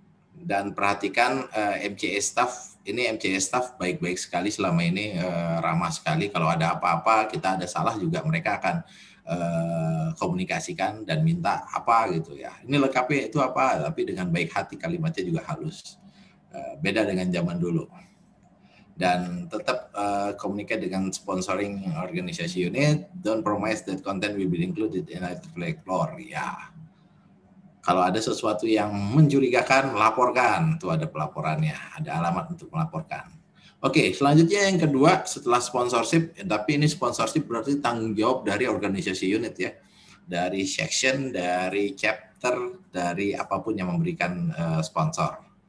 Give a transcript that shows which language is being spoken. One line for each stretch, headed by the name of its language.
Indonesian: Dan perhatikan MCA staff, ini MCA staff baik-baik sekali selama ini, ramah sekali. Kalau ada apa-apa, kita ada salah juga, mereka akan komunikasikan dan minta apa gitu ya. Ini lengkapnya itu apa, tapi dengan baik hati, kalimatnya juga halus. Beda dengan zaman dulu. Dan tetap
English: communicate
Indonesian: dengan
English: sponsoring organization unit, don't promise that content will be included in the flag floor.
Indonesian: Ya. Kalau ada sesuatu yang mencurigakan, laporkan. Itu ada pelaporannya, ada alamat untuk melaporkan. Oke, selanjutnya yang kedua, setelah sponsorship, tapi ini sponsorship berarti tanggung jawab dari organization unit ya. Dari section, dari chapter, dari apapun yang memberikan sponsor.